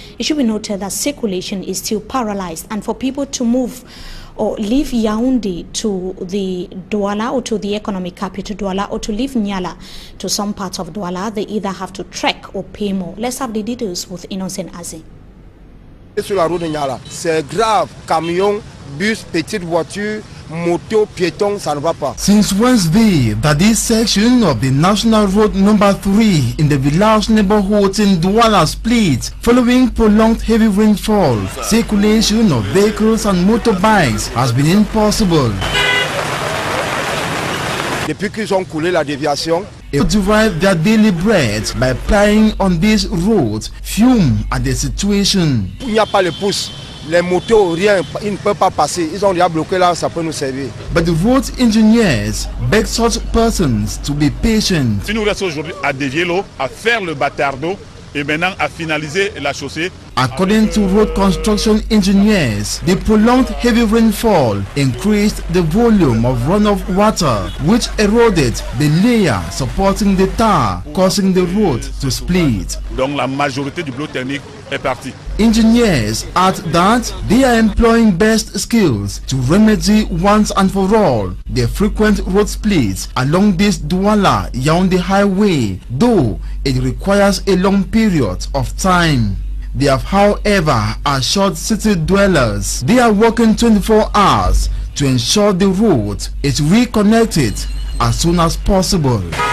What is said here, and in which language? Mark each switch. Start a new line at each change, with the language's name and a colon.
English: It should be noted that circulation is still paralyzed, and for people to move or leave Yaoundé to the Douala or to the economic capital Douala, or to leave Niala to some parts of Douala, they either have to trek or pay more. Let's have the details with Innocent Aze.
French: Sur la route de Niala, c'est grave. Camion, bus, petite voiture, moto, piéton, ça ne va pas.
English: Since Wednesday, that this section of the National Road Number 3 in the village neighborhood in Douala split following prolonged heavy rainfall, circulation of vehicles and motorbikes has been impossible.
French: Depuis qu'ils ont coulé la déviation,
English: to derive their daily bread by plying on this road, fume at the situation.
French: Il n'y a pas le pouce. Les motos, rien, ils ne peuvent pas passer. Ils ont déjà bloqué là, ça peut nous servir.
English: But the road engineers beg such persons to be patient.
French: Si nous restons aujourd'hui à dévier l'eau, à faire le bâtardo, et maintenant à finaliser la chaussée.
English: According to road construction engineers, the prolonged heavy rainfall increased the volume of runoff water, which eroded the layer supporting the tar, causing the road to split.
French: Donc la majorité du bloc technique est parti.
English: Engineers add that they are employing best skills to remedy once and for all the frequent road splits along this Douala Yaoundé highway, though it requires a long period of time. They have, however, assured city dwellers they are working 24 hours to ensure the road is reconnected as soon as possible.